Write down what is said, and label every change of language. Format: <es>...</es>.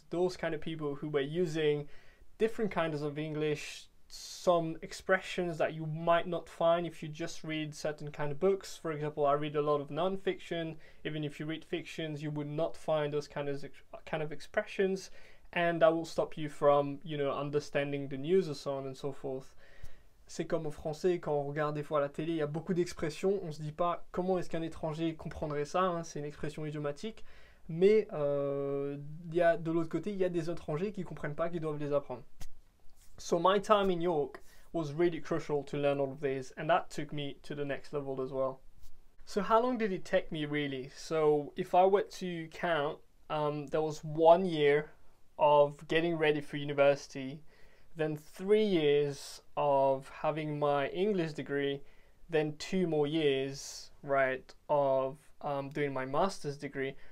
<en>Those kind of people who were using different kinds of English, some expressions that you might not find if you just read certain kind of books. For example, I read a lot of non-fiction. Even if you read fictions, you would not find those kind of expressions, and that will stop you from understanding the news or so on and so forth.</en> <fr>C'est comme en français, quand on regarde des fois la télé, il y a beaucoup d'expressions, on se dit pas comment est-ce qu'un étranger comprendrait ça, hein? C'est une expression idiomatique, mais y a, de l'autre côté, il y a des étrangers qui comprennent pas, qui doivent les apprendre.</fr> <en>So my time in York was really crucial to learn all of this, and that took me to the next level as well. So how long did it take me really? So if I were to count, there was 1 year of getting ready for university, then 3 years of having my English degree, then 2 more years, right, of doing my master's degree.</en>